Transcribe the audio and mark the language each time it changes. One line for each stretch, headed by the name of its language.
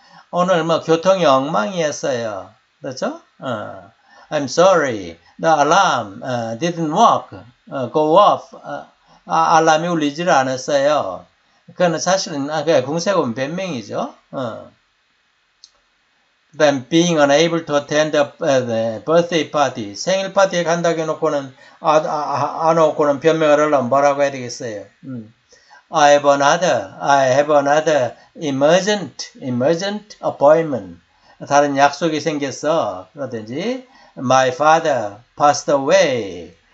Korean: 오늘 뭐 교통이 엉망이었어요. 그렇죠?
English: I'm sorry. The alarm didn't work. Go off.
Korean: 알람이 울리질 않았어요. 그건 사실은 궁색은 변명이죠.
English: Then being unable to attend the birthday party.
Korean: 생일 파티에 간다고 해놓고는 안 오고는 변명을 하려면 뭐라고 해야 되겠어요?
English: I have another emergent appointment.
Korean: 다른 약속이 생겼어. 그러든지
English: my father passed away.